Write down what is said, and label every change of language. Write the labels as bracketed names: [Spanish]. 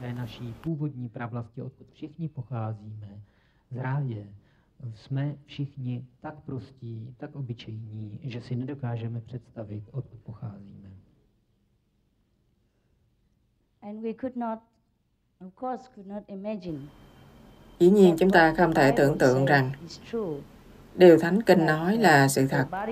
[Czech] Naší původní pravlasti, odkud všichni pocházíme, z ráje. Jsme všichni tak prostí, tak obyčejní, že si nedokážeme představit, odkud pocházíme. [English] And we could not, of course, could not imagine. [Vietnamese] Dĩ nhiên chúng ta không thể tưởng tượng rằng điều Thánh Kinh nói là sự thật.